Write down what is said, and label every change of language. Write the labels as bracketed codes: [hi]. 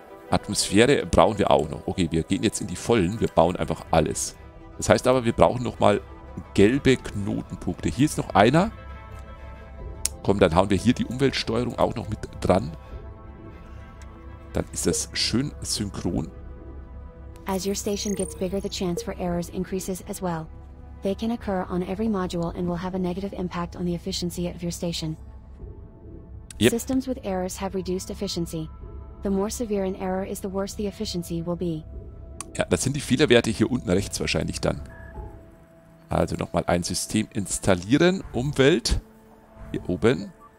[de] Atmosphäre brauchen wir auch noch. Okay, wir gehen jetzt in die Vollen. Wir bauen einfach alles. Das heißt aber, wir brauchen nochmal gelbe Knotenpunkte. Hier ist noch einer. Komm, dann hauen wir hier die Umweltsteuerung auch noch mit dran. Dann ist das schön synchron. [en] As your station gets bigger, the chance for errors increases as well. They can occur on every module and will have a negative impact on the efficiency of your station. Yep. Systems with errors have reduced efficiency. The more severe an error is, the worse the efficiency will be. [de] Ja, das sind die Fehlerwerte hier unten rechts wahrscheinlich dann. Also nochmal ein System installieren, Umwelt. Hier oben.